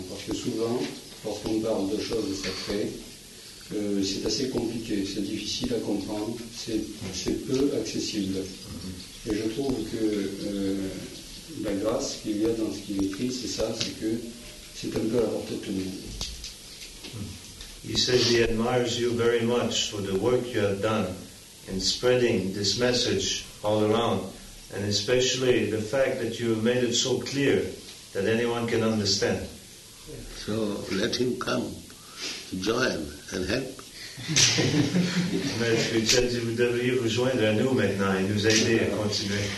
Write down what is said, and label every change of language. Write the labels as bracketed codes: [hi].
[fr] Parce que souvent, lorsqu'on parle de choses sacrées, c'est assez compliqué, c'est difficile à comprendre, c'est peu accessible. Et je trouve que... la grâce qu'il y a dans ce qu'il écrit, c'est ça, c'est que c'est un peu à la portée de tout le monde. [en] He says he admires you very much for the work you have done in spreading this message all around, and especially the fact that you have made it so clear that anyone can understand. So let him come to join and help. [fr] Mais il dit, vous devriez vous joindre à nous maintenant et nous aider à continuer.